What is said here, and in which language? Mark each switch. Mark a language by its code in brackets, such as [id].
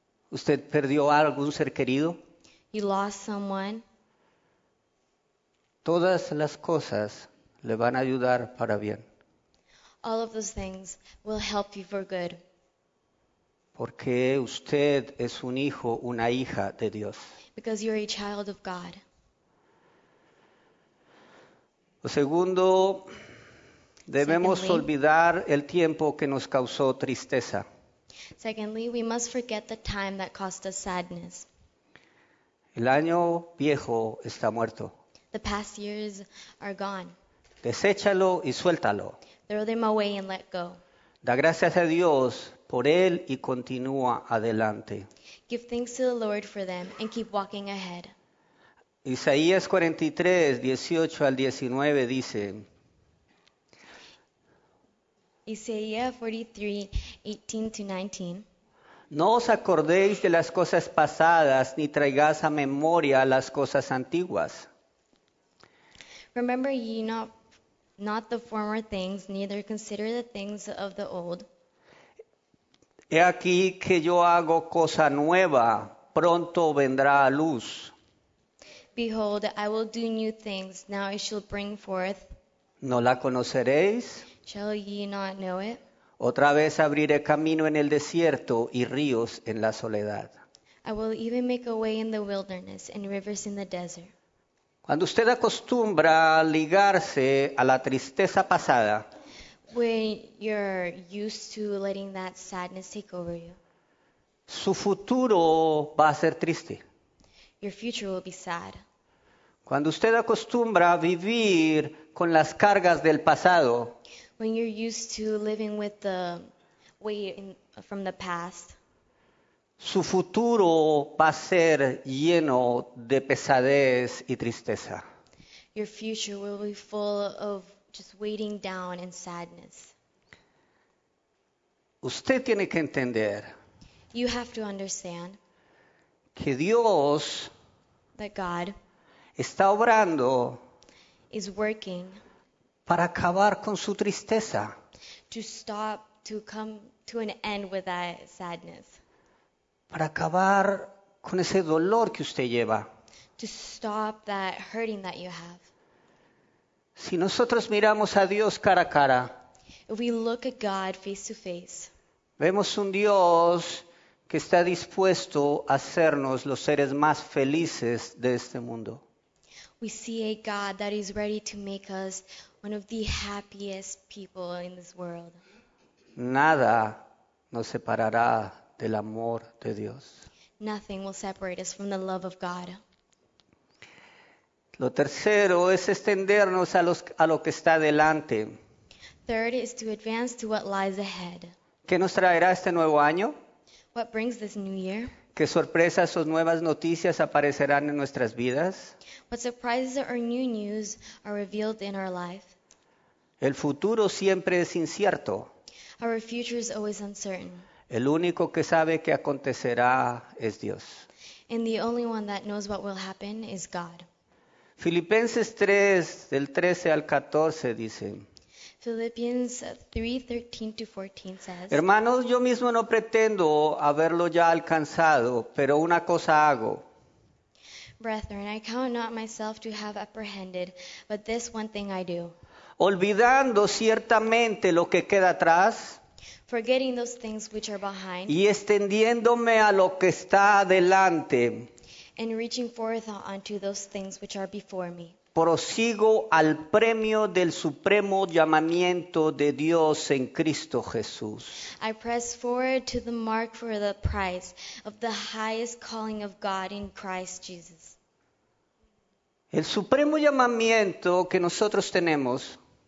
[es] Usted perdió a algún ser querido. [en] You lost someone. [es] Todas las cosas le van a ayudar para bien. [en] All of those things will help you for good. [es] Porque usted es un hijo, una hija de Dios. [en] Because you're a child of God. [es] Lo segundo, debemos [en] Secondly, [es] olvidar el tiempo que nos causó tristeza. [en] Secondly, we must forget the time that caused us sadness. [es] El año viejo está muerto. [en] The past years are gone. [es] Deséchalo y suéltalo. [en] Throw them away and let go. [es] Da gracias a Dios por él y continúa adelante. [en] Give thanks to the Lord for them and keep walking ahead. [es] Isaías 43, 18 al 19 dice. [en] Isaías 43, 18 to 19. [es] No os acordéis de las cosas pasadas, ni traigáis a memoria las cosas antiguas. [en] Remember ye not the former things, neither consider the things of the old. [es] He aquí que yo hago cosa nueva, pronto vendrá a luz. [en] Behold, I will do new things, now I shall bring forth. [es] ¿No la conoceréis? [en] Shall ye not know it? [es] Otra vez abriré camino en el desierto y ríos en la soledad. [en] I will even make a way in the wilderness and rivers in the desert. [es] Cuando usted acostumbra a ligarse a la tristeza pasada, [en] when you're used to letting that sadness take over you, [es] su futuro va a ser triste. [en] Your future will be sad. [es] Cuando usted acostumbra a vivir con las cargas del pasado, [en] when you're used to living with the weight from the past, [es] su futuro va a ser lleno de pesadez y tristeza. [en] Your future will be full of just weighing down and sadness. [es] Usted tiene que entender. [en] You have to understand. [es] Que Dios. [en] That God. [es] Está obrando. [en] Is working. [es] Para acabar con su tristeza. [en] To stop, to come to an end with that sadness. [es] Para acabar con ese dolor que usted lleva. [en] To stop that hurting that you have. [es] Si nosotros miramos a Dios cara a cara, [en] if we look at God face to face, [es] vemos un Dios que está dispuesto a hacernos los seres más felices de este mundo. [en] We see a God that is ready to make us one of the happiest people in this world. [es] Nada nos separará del amor de Dios. [en] Nothing will separate us from the love of God. [es] Lo tercero es extendernos a lo que está delante. [en] Third is to advance to what lies ahead. [es] ¿Qué nos traerá este nuevo año? [en] What brings this new year? [es] ¿Qué sorpresas o nuevas noticias aparecerán en nuestras vidas? [en] What surprises or new news are revealed in our life? [es] El futuro siempre es incierto. [en] Our future is always uncertain. [es] El único que sabe qué acontecerá es Dios. [en] And the only one that knows what will happen is God. [es] Filipenses 3, del 13 al 14, dice. [en] Philippians 3, 13 to 14 says. [es] Hermanos, yo mismo no pretendo haberlo ya alcanzado, pero una cosa hago. [en] Brethren, I count not myself to have apprehended, but this one thing I do. [es] Olvidando ciertamente lo que queda atrás. [en] Forgetting those things which are behind. [es] Y extendiéndome a lo que está adelante. [en] And reaching forth unto those things which are before me. [es] Prosigo al premio del supremo llamamiento de Dios en Cristo Jesús. [en] I press forward to the mark for the prize of the highest calling of God in Christ Jesus. [es] El supremo llamamiento que nosotros tenemos.